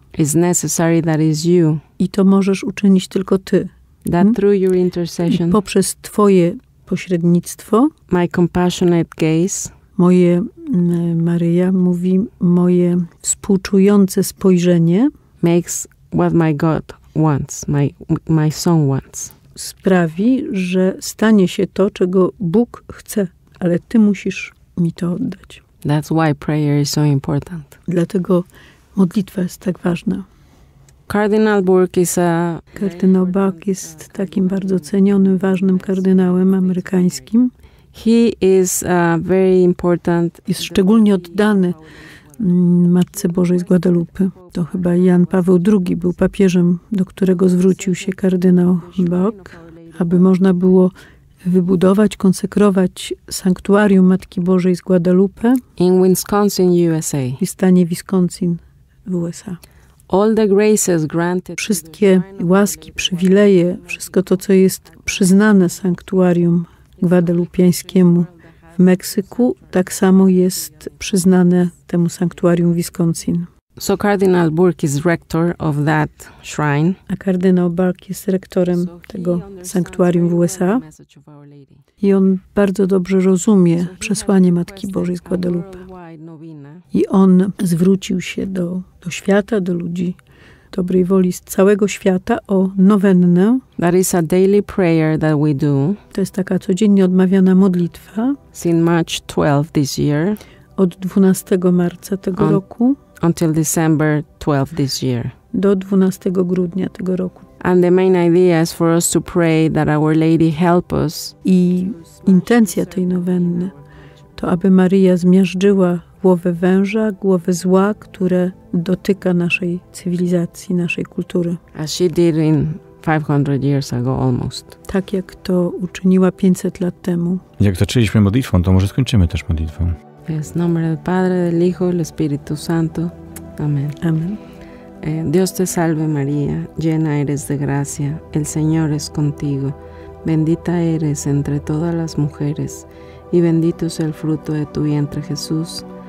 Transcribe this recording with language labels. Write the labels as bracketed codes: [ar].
[en] It's necessary that is you. [pl] I to możesz uczynić tylko ty. [en] That through your intercession. [pl] I poprzez twoje pośrednictwo. [en] My compassionate gaze. [pl] Moje, Maryja mówi, moje współczujące spojrzenie. [en] Makes what my God wants, my son wants. [pl] Sprawi, że stanie się to, czego Bóg chce, ale ty musisz mi to oddać. [en] That's why prayer is so important. [pl] Dlatego modlitwa jest tak ważna. [en] Kardynał Burke is a... [pl] Kardynał Burke jest takim bardzo cenionym, ważnym kardynałem amerykańskim. [en] He is a very important... [pl] Jest szczególnie oddany Matce Bożej z Guadalupe. To chyba Jan Paweł II był papieżem, do którego zwrócił się kardynał Bock, aby można było wybudować, konsekrować sanktuarium Matki Bożej z Guadalupe [en] in Wisconsin, USA. [pl] W stanie Wisconsin w USA. [en] All the graces granted, [pl] wszystkie łaski, przywileje, wszystko to, co jest przyznane sanktuarium gwadelupiańskiemu w Meksyku, tak samo jest przyznane temu sanktuarium Wisconsin. [en] So Cardinal Burke is rector of that shrine. [pl] A kardynał Burke jest rektorem tego sanktuarium w USA. I on bardzo dobrze rozumie przesłanie Matki Bożej z Guadalupe. I on zwrócił się do świata, do ludzi dobrej woli z całego świata o nowennę. [en] That is a daily prayer that we do. [pl] To jest taka codziennie odmawiana modlitwa. [en] Since March 12 this year. [pl] Od 12 marca tego roku. [en] Until December 12 this year. [pl] Do 12 grudnia tego roku. [en] And the main idea is for us to pray that Our Lady help us. [pl] I intencja tej nowenny to, aby Maryja zmiażdżyła głowę węża, głowę zła, które dotyka naszej cywilizacji, naszej kultury. [en] As she did in 500 years ago almost. [pl] Tak jak to uczyniła 500 lat temu. Jak zaczęliśmy modlitwą, to może skończymy też modlitwą. [es] Jest nombre del Padre, del Hijo, del Espíritu Santo. Amen. Amen. Dios te salve María, llena eres de gracia, el Señor es contigo. Bendita eres entre todas las mujeres y bendito es el fruto de tu vientre, Jesús.